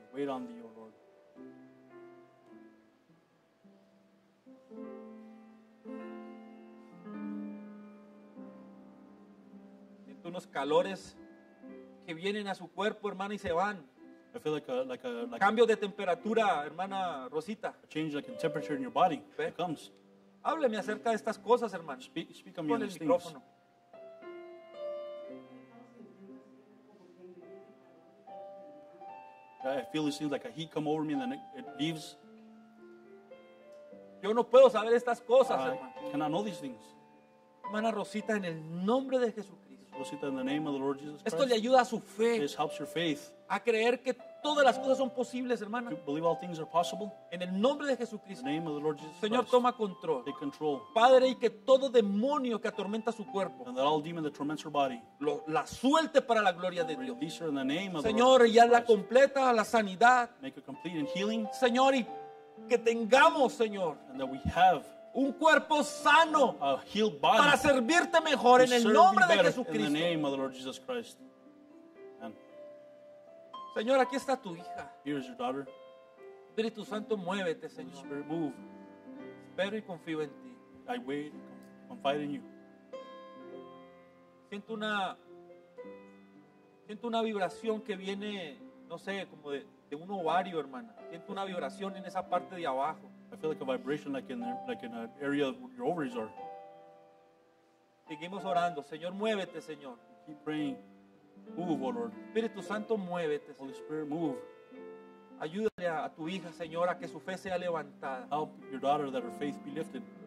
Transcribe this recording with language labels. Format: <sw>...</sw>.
<en>I wait on thee, oh Lord.</en> <es>Siento unos calores que vienen a su cuerpo, hermana, y se van.</es> <en>I feel like</en> <es>cambio de temperatura, hermana Rosita.</es> <en>A change like in temperature in your body. It comes.</en> <es>Hábleme acerca de estas cosas, hermano.</es> <en>Speak on me on these things. I feel these things like a heat come over me and then it leaves.</en> <es>Yo no puedo saber estas cosas, hermano.</es> <en>I cannot know these things.</en> <es>Hermana Rosita, en el nombre de Jesús.</es> <en>Rosita, in the name of the Lord Jesus Christ.</en> <es>Esto le ayuda a su fe.</es> <en>This helps your faith.</en> <es>A creer que todas las cosas son posibles, hermana.</es> <en>You believe all things are possible.</en> <es>En el nombre de Jesucristo.</es> <en>In the name of the Lord Jesus</en> <es>Christ. Señor, toma control.</es> <en>Take control.</en> <es>Padre, y que todo demonio que atormenta su cuerpo.</es> <en>And that all demon that torments her body.</en> <es>La suelte para la gloria de Dios.</es> <en>Release her in the name of the Lord.</en> <es>Señor, y hazla completa la sanidad.</es> <en>Make her complete in healing.</en> <es>Señor, y que tengamos, Señor.</es> <en>And that we have.</en> <es>Un cuerpo sano</es> <en>a healed body</en> <es>para servirte mejor en el nombre de Jesucristo.</es> <en>In the name of the Lord Jesus Christ.</en> <es>Señor, aquí está tu hija.</es> <en>Here is your daughter.</en> <es>Espíritu Santo, muévete, Señor.</es> <en>Holy Spirit, move.</en> <es>Espero y confío en ti.</es> <en>I wait and confide in you.</en> <es>Siento una vibración que viene, no sé, como de un ovario, hermana. Siento una vibración en esa parte de abajo.</es> <en>I feel like a vibration like in an area where your ovaries are.</en> <es>Seguimos orando. Señor, muévete, Señor.</es> <en>Keep praying. Move, oh Lord.</en> <es>Espíritu Santo, muévete.</es> <en>Holy Spirit, move.</en> <es>Ayúdale a tu hija, Señor, a que su fe sea levantada.</es> <en>Help your daughter that her faith be lifted.</en>